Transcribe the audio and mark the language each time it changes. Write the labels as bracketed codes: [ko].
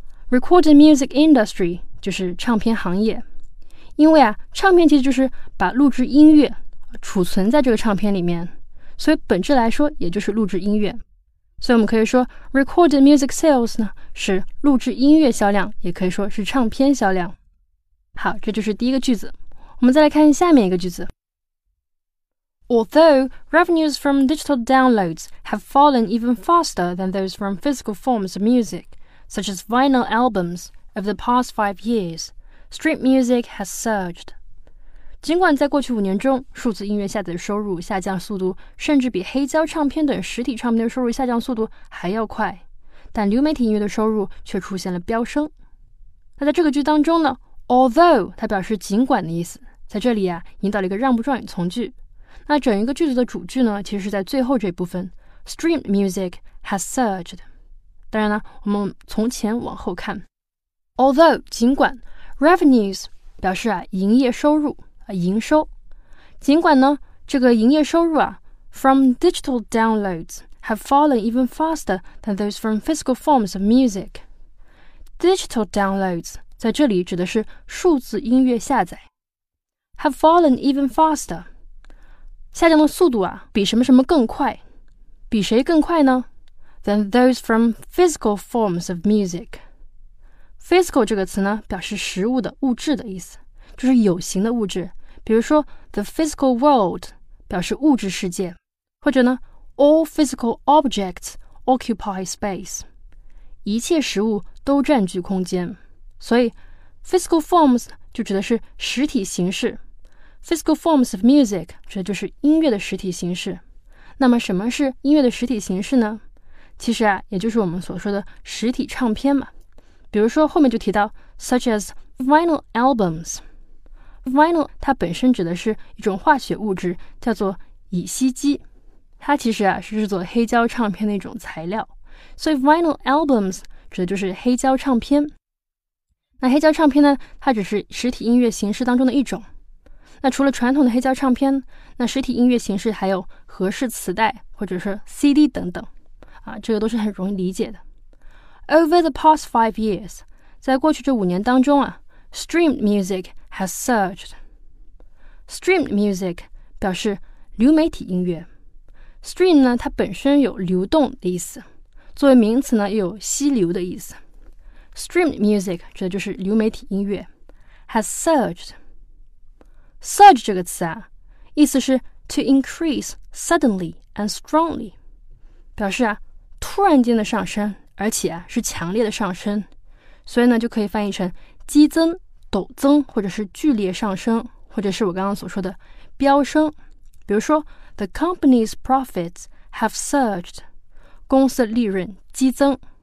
[zh] Recorded Music Industry 就是唱片行业，因为啊，唱片其实就是把录制音乐储存在这个唱片里面，所以本质来说也就是录制音乐。所以我们可以说 Recorded Music Sales 呢是录制音乐销量，也可以说是唱片销量。好，这就是第一个句子。我们再来看下面一个句子。 [en] Although revenues from digital downloads have fallen even faster than those from physical forms of music, such as vinyl albums, over the past 5 years, street music has surged. [zh] 尽管在过去5年中，数字音乐下载的收入下降速度甚至比黑胶唱片等实体唱片的收入下降速度还要快，但流媒体音乐的收入却出现了飙升。那在这个句当中呢， although 它表示尽管的意思，在这里啊引导了一个让不状语从句。那整一个句子的主句呢，其实是在最后这部分 [en] stream music has surged。 [zh] 当然呢，我们从前往后看， although 尽管 revenues 表示啊营业收入营收，尽管呢这个营业收入啊 [en] from digital downloads have fallen even faster than those from physical forms of music. [zh] Digital downloads 在这里指的是数字音乐下载。 [en] have fallen even faster [zh] 下降的速度啊比什么什么更快，比谁更快呢？ [en] than those from physical forms of music. [zh] Physical 这个词呢表示实物的物质的意思，就是有形的物质，比如说 [en] the physical world [zh] 表示物质世界，或者呢 [en] all physical objects occupy space， [zh] 一切实物都占据空间。所以 physical forms 就指的是实体形式， physical forms of music 指的就是音乐的实体形式。那么什么是音乐的实体形式呢？其实啊，也就是我们所说的实体唱片嘛。比如说后面就提到 [en] such as vinyl albumsVinyl [zh] 它本身指的是一种化学物质，叫做乙烯基，它其实啊是制作黑胶唱片的一种材料，所以 Vinyl Albums 指的就是黑胶唱片。那黑胶唱片呢，它只是实体音乐形式当中的一种。那除了传统的黑胶唱片，那实体音乐形式还有合适磁带或者是 CD 等等啊，这个都是很容易理解的。 [en] Over the past 5 years， [zh] 在过去这5年当中啊， [en] Streamed musichas surged. [zh] Streamed music 表示流媒体音乐。Stream 呢它本身有流动的意思，作为名词呢也有溪流的意思。 Streamed music 指的就是流媒体音乐。 [en] has surged. [zh] Surge 这个词啊，意思是 [en] to increase suddenly and strongly， [zh] 表示啊突然间的上升，而且啊是强烈的上升，所以呢就可以翻译成激增、陡增或者是剧烈上升，或者是我刚刚所说的飙升。 [en] 比如说 The company's profits have surged， [zh] 公司利润激增。